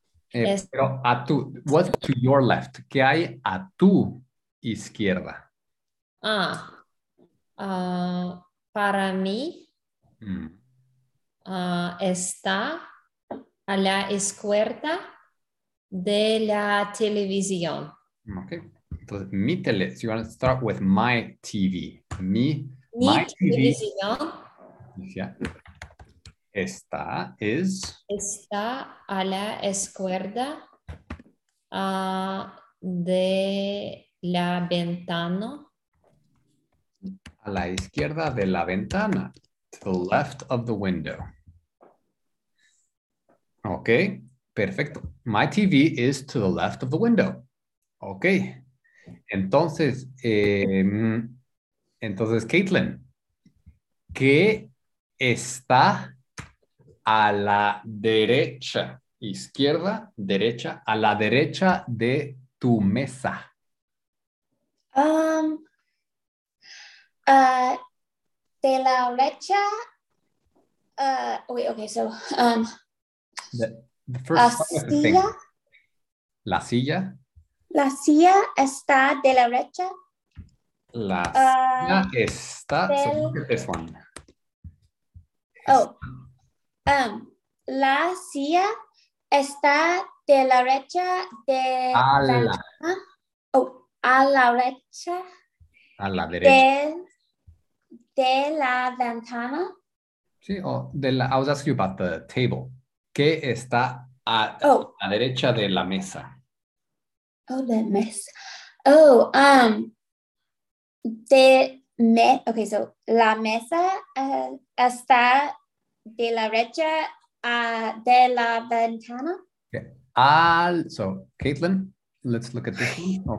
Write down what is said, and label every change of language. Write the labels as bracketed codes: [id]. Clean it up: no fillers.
[es] Pero a tu, [en] what's to your left? [es] ¿Qué hay a tu izquierda? Ah, para mí está a la izquierda de la televisión. [en] Okay. [es] Entonces, mi tele, [en] so you want to start with my TV. [es] Mi televisión. Yeah. Esta es. Está a la izquierda de la ventana. A la izquierda de la ventana. [en] To the left of the window. [es] Ok, perfecto. [en] My TV is to the left of the window. Ok. [es] Entonces, entonces, Caitlin, ¿qué está a la derecha, izquierda, derecha, a la derecha de tu mesa? De la derecha, [en] wait, okay, so, the first [es] la silla. La silla. La silla está de la derecha. La silla está, del, [en] so look at this one. [es] Oh. La silla está de la derecha de a la, la oh, a la derecha, a la derecha de la ventana. Sí, o de la, [en] I was asking you about the table. [es] ¿Qué está a la derecha de la mesa? [en] Oh, the mesa. [es] Oh, de me, okay, so la mesa está de la derecha de la ventana. [en] Okay. Al, so, Caitlin, let's look at this one.